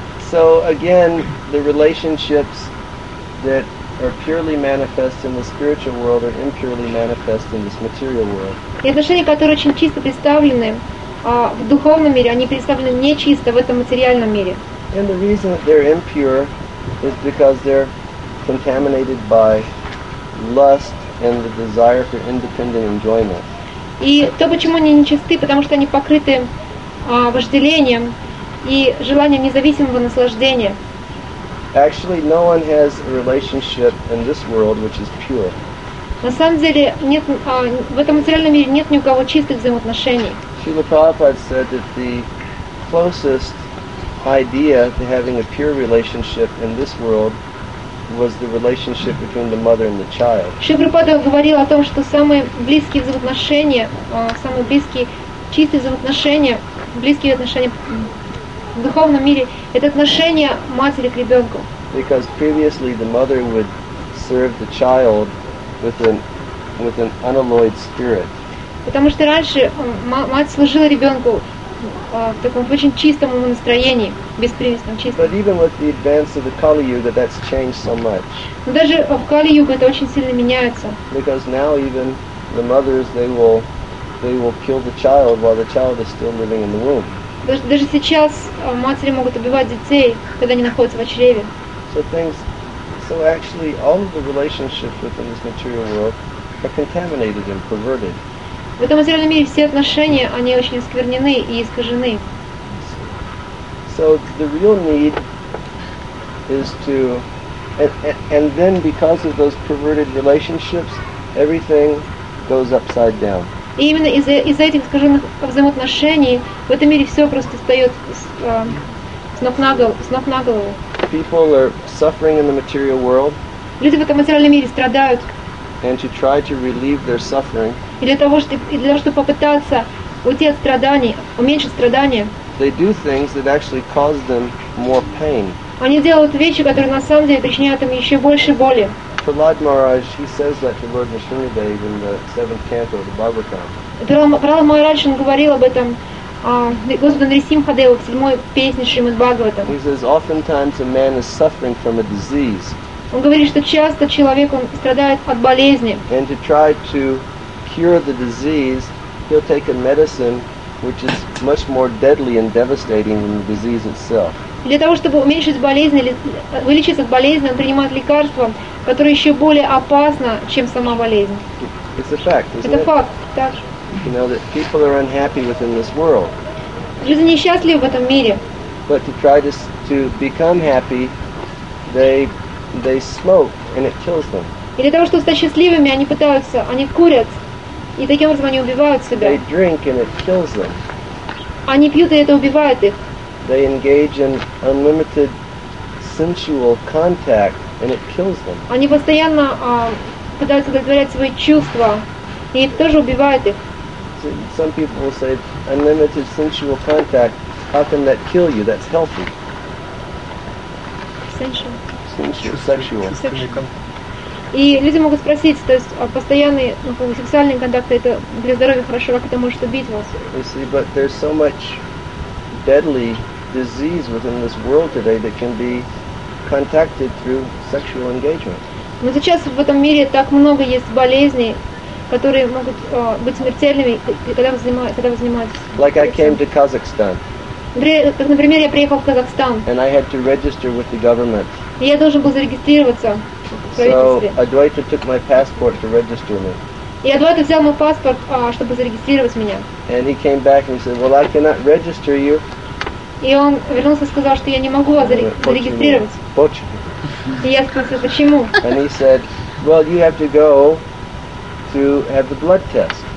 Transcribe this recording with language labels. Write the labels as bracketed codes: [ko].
[en] So again, the relationships that are purely manifest in the spiritual world are impurely manifest in this material world. [ru] И отношения, которые очень чисто представлены в духовном мире, они представлены нечисто в этом материальном мире. [en] And the reason that they're impure is because they're contaminated by lust and the desire for independent enjoyment. [ru] И то, почему они нечисты, потому что они покрыты вожделением и желанием независимого наслаждения. [en] Actually, no one has a relationship in this world which is pure. [ru] На самом деле, нет, в этом материальном мире нет ни у кого чистых взаимоотношений. [en] Шрила Прабхупада said that the closest idea to having a pure relationship in this world was the relationship between the mother and the child. [ru] Шрила Прабхупада говорил о том, что самые близкие взаимоотношения, самые близкие чистые взаимоотношения, близкие отношения в духовном мире, это отношения матери к ребенку. [en] Because previously the mother would serve the child with an unalloyed spirit. [ru] Потому что раньше мать служила ребенку в таком очень чистом ему настроении, беспримесном чистом. [en] But even with the advance of the Kali Yuga, that's changed so much. [ru] Но даже в Кали Юге это очень сильно меняется. [en] Because now even the mothers they will kill the child while the child is still living in the womb. [ru] Даже сейчас матери могут убивать детей, когда они находятся в чреве. [en] So actually, all of the relationships within this material world are contaminated and perverted. [ru] В этом материальном мире все отношения, они очень осквернены и искажены. [en] So the real need is to, and then because of those perverted relationships, everything goes upside down. [ru] И именно из-за этих искаженных взаимоотношений в этом мире все просто встает с ног на голову. [en] People are suffering in the material world. [ru] Люди в этом материальном мире страдают. [en] And to try to relieve their suffering. [ru] И для того, чтобы попытаться уйти от страданий, уменьшить страдания. [en] They do things that actually cause them more pain. [ru] Они делают вещи, которые на самом деле причиняют им еще больше боли. [en] Prahlad Maharaj, he says that to Lord Nrsimhadev in the 7th canto of the Bhagavatam. [ru] Prahlad Maharaj, он говорил об этом. [en] He says, oftentimes a man is suffering from a disease. [ru] Он говорит, что часто человек он страдает от болезни. [en] And to try to cure the disease, he'll take a medicine which is much more deadly and devastating than the disease itself. [ru] Для того, чтобы уменьшить болезнь или вылечиться от болезни, он принимает лекарство, которое еще более опасно, чем сама болезнь. [en] It's a fact, isn't it? [ru] Это факт, так. [en] You know that people are unhappy within this world. [ru] Люди несчастливы в этом мире. [en] But to try to become happy, they smoke and it kills them. [ru] И для того, чтобы стать счастливыми, они пытаются, они курят, и таким образом они убивают себя. [en] They drink and it kills them. [ru] Они пьют и это убивает их. [en] They engage in unlimited sensual contact and it kills them. [ru] Они постоянно пытаются удовлетворять свои чувства, и это тоже убивает их. [en] Some people will say, unlimited sensual contact, how can that kill you? That's healthy. Sensual. [ru] И люди могут спросить, то есть постоянные сексуальные контакты, это для здоровья хорошо, как это может убить вас? [en] You see, but there's so much deadly disease within this world today that can be contacted through sexual engagement. [ru] Но сейчас в этом мире так много есть болезней, которые могут быть смертельными, когда вы занимаетесь. [en] Like I came to Kazakhstan. [ru] Например, я приехал в Казахстан. [en] And I had to register with the government. [ru] И я должен был зарегистрироваться в правительстве. [en] So Advaita took my passport to register me. [ru] И Адвайта взял мой паспорт, чтобы зарегистрировать меня. [en] And he came back and said, "Well, I cannot register you." [ru] И он вернулся и сказал, что я не могу вас зарегистрировать. Почему? И я спросил, почему? [en] And he said, "Well, you have to go to have the blood test."